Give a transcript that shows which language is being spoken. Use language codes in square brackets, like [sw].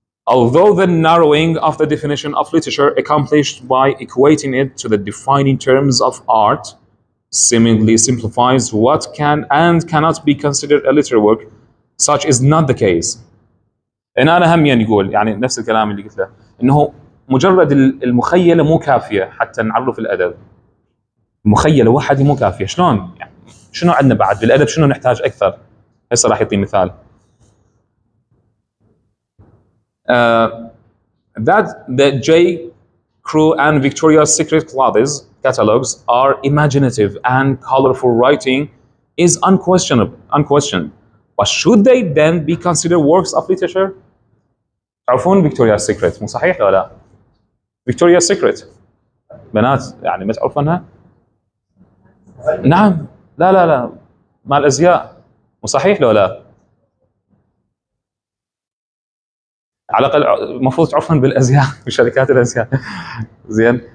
[en] Although the narrowing of the definition of literature accomplished by equating it to the defining terms of art seemingly simplifies what can and cannot be considered a literary work, such is not the case. [ar] إن أنا هم يعني يقول يعني نفس الكلام اللي قلت له، انه مجرد المخيلة مو كافية حتى نعرف الأدب. مخيلة واحدة مو كافية، شلون؟ شنو عندنا بعد بالادب؟ شنو نحتاج اكثر؟ هسه راح يعطي مثال. [en] That the J. Crew and Victoria's Secret Clothes catalogs are imaginative and colorful writing is unquestioned. But should they then be considered works of literature؟ [ar] تعرفون Victoria's Secret مو صحيح ولا لا؟ Victoria's Secret بنات يعني ما تعرفونها؟ نعم لا لا لا مع الأزياء وصحيح لو لا على الأقل المفروض تعرفن بالأزياء وشركات الأزياء زين.